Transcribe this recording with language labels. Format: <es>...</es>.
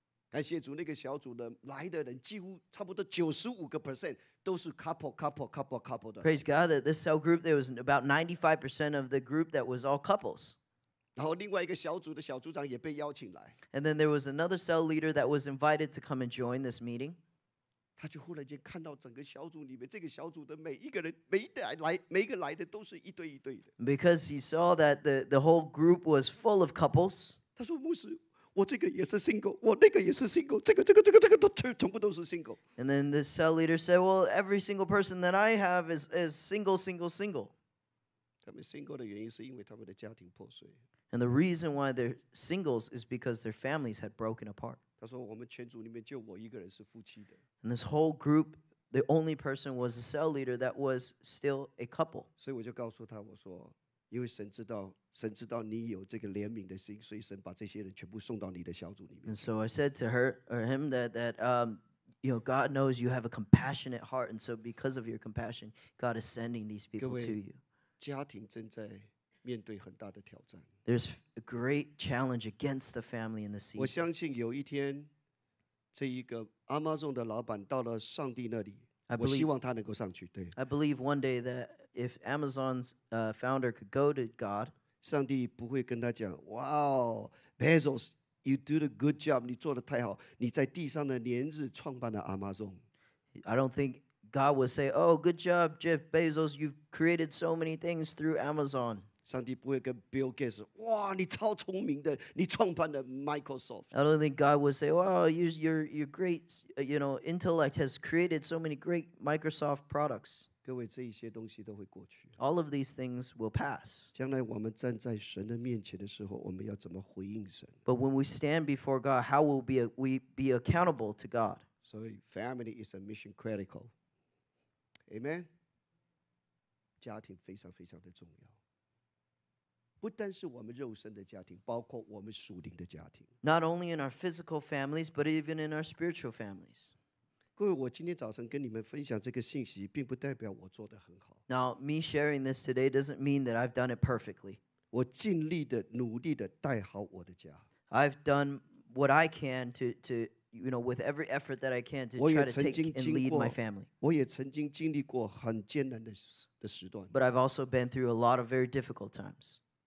<zh>感谢主，那个小组的来的人几乎差不多95%。都是 couple 的。</zh> <en>Praise God that this cell group, there was about 95% of the group that was all couples.</en> <zh>然后另外一个小组的小组长也被邀请来。</zh> <en>And then there was another cell leader that was invited to come and join this meeting.</en> <zh>他就忽然间看到整个小组里面这个小组的每一个人每一个来的都是一对一对的。</zh> <en>Because he saw that the whole group was full of couples.</en> <zh>他说牧师。我这个也是 single， 我那个也是 single， 这个都全部都是 single。</zh> <en>And then the cell leader said, "Well, every single person that I have is single, single, single."</en> <zh>他们 single 的原因是因为他们的家庭破碎。</zh> <en>And the reason why they're singles is because their families had broken apart.</en> <zh>他说我们全组里面就我一个人是夫妻的。</zh> <en>And this whole group, the only person was the cell leader that was still a couple.</en> <zh>所以我就告诉他，我说。因为神知道你有这个怜悯的心，所以神把这些人全部送到你的小组里面。</zh> <en>And so I said to her or him that you know, God knows you have a compassionate heart, and so because of your compassion, God is sending these people to you.</en> <zh>家庭正在面对很大的挑战。</zh> <en>There's a great challenge against the family in the season.</en> <zh>我相信有一天，这一个 Amazon 的老板到了上帝那里，我希望他能够上去。对。</zh> <en>I believe one day that. If Amazon's founder could go to God,</en> <zh>上帝不会跟他讲 ，</zh> <en>Wow, Bezos, you did a good job.</en> <zh>你做得太好。你在地上的年日创办了 Amazon.</zh> <en>I don't think God would say, "Oh, good job, Jeff Bezos. You've created so many things through Amazon."</en> <zh>上帝不会跟 Bill Gates 说，哇，你超聪明的，你创办了 Microsoft.</zh> <en>I don't think God would say, "Wow, your great, you know, intellect has created so many great Microsoft products."</en> <zh>各位，这一些东西都会过去。</zh> <en>All of these things will pass.</en> <zh>将来我们站在神的面前的时候，我们要怎么回应神</zh> <en>？But when we stand before God, how will we be accountable to God? So family is a mission critical. Amen.</en> <zh>家庭非常非常的重要。不单是我们肉身的家庭，包括我们属灵的家庭。</zh> <en>Not only in our physical families, but even in our spiritual families.</en> <zh>各位，我今天早上跟你们分享这个信息，并不代表我做得很好。</zh> <en>Now, me sharing this today doesn't mean that I've done it perfectly.</en> <zh>我尽力的、努力的带好我的家。</zh> <en>I've done what I can to you know, with every effort that I can to try to take and lead my family.</en> <zh>我也曾经经历过很艰难的时段。</zh> <en>But I've also been through a lot of very difficult times.</en>